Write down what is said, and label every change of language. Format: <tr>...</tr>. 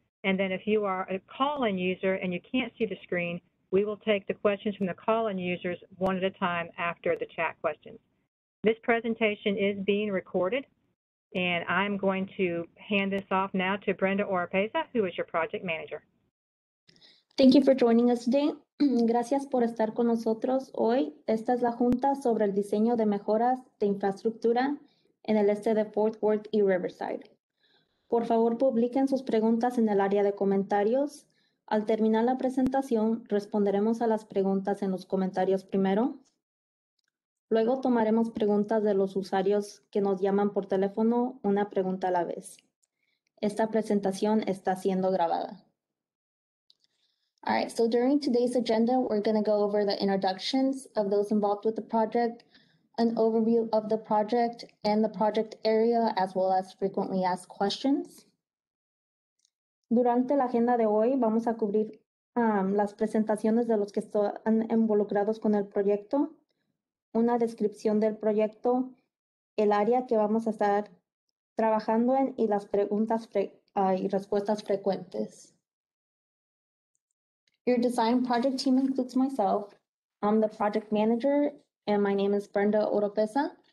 <en>And then if you are a call-in user and you can't see the screen, we will take the questions from the call-in users one at a time after the chat questions. This presentation is being recorded, and I'm going to hand this off now to Brenda Oropeza, who is your project manager. Thank you for joining us today.</en> <es>Gracias por estar con nosotros hoy. Esta es la junta sobre el diseño de mejoras de infraestructura en el este de Fort Worth y Riverside. Por favor, publiquen sus preguntas en el área de comentarios. Al terminar la presentación, responderemos a las preguntas en los comentarios primero. Luego tomaremos preguntas de los usuarios que nos llaman por teléfono, una pregunta a la vez. Esta presentación está siendo grabada.</es> <en>All right, so during today's agenda, we're going to go over the introductions of those involved with the project, an overview of the project and the project area, as well as frequently asked questions.</en> <es>Durante la agenda de hoy, vamos a cubrir las presentaciones de los que están involucrados con el proyecto, una descripción del proyecto, el área que vamos a estar trabajando en y las preguntas y respuestas frecuentes.</es> <en>Your design project team includes myself. I'm the project manager, and my name is Brenda Oropeza.</en>